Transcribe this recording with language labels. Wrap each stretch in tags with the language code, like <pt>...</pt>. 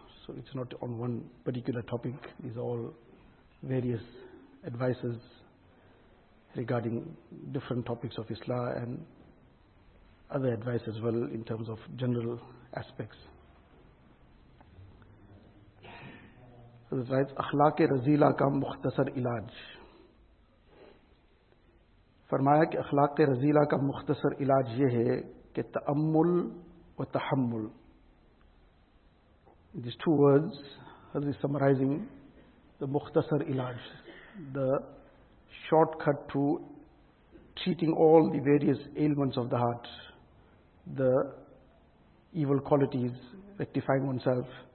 <en>So it's not on one particular topic. These are all various advices regarding different topics of Islah and other advice as well in terms of general aspects. Hazrat writes,</en> <ur>اخلاق رزیلہ کا مختصر علاج. فرمایا کہ اخلاق رزیلہ کا مختصر علاج یہ ہے کہ تأمل و تحمل.</ur> <en>These two words, Hazrat is summarizing the</en> <ur>مختصر علاج,</ur> <en>the shortcut to treating all the various ailments of the heart, the evil qualities, rectifying oneself.</en>